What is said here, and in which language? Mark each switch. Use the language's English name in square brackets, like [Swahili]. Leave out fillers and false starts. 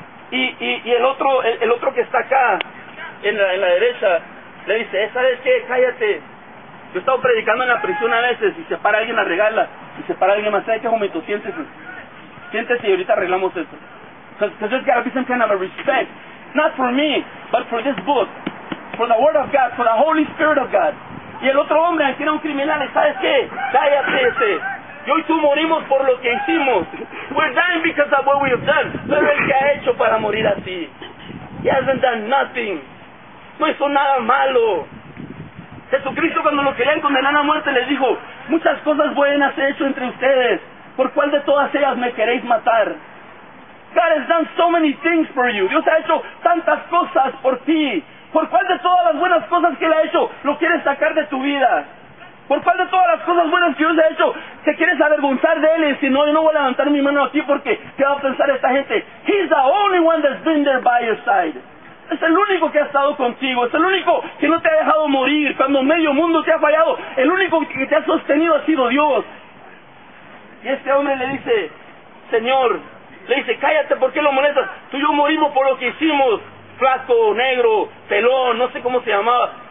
[Spanish] Y el otro que está acá, en la derecha, le dice, ¿sabes qué? Cállate. Yo he estado predicando en la prisión a veces, y se para alguien a regarla, y se para alguien más, ¿sabes qué, jumito? Siéntese y ahorita arreglamos esto. [English] Because there's got to be some kind of a respect, not for me, but for this book, for the Word of God, for the Holy Spirit of God. [Spanish] Y el otro hombre, que era un criminal, ¿sabes qué? Cállate ese. Yo y tú morimos por lo que hicimos. [English] We're dying because of what we have done. [Spanish] Pero el que ha hecho para morir así. [English] He hasn't done nothing. [Spanish] No hizo nada malo. Jesucristo, cuando lo querían condenar a muerte, les dijo, muchas cosas buenas he hecho entre ustedes. ¿Por cuál de todas ellas me queréis matar? [English] God has done so many things for you. [Spanish] Dios ha hecho tantas cosas por ti. ¿Por cuál de todas las buenas cosas que Él ha hecho lo quieres sacar de tu vida? ¿Por cuál de todas las cosas buenas que Dios ha hecho te quieres avergonzar de Él y decir, no, yo no voy a levantar mi mano aquí porque qué va a pensar esta gente? [English] He's the only one that's been there by your side. [Spanish] Es el único que ha estado contigo. Es el único que no te ha dejado morir cuando medio mundo te ha fallado. El único que te ha sostenido ha sido Dios. Y este hombre le dice, Señor, le dice, cállate, ¿por qué lo molestas? Tú y yo morimos por lo que hicimos. Flaco, negro, pelón, no sé cómo se llamaba.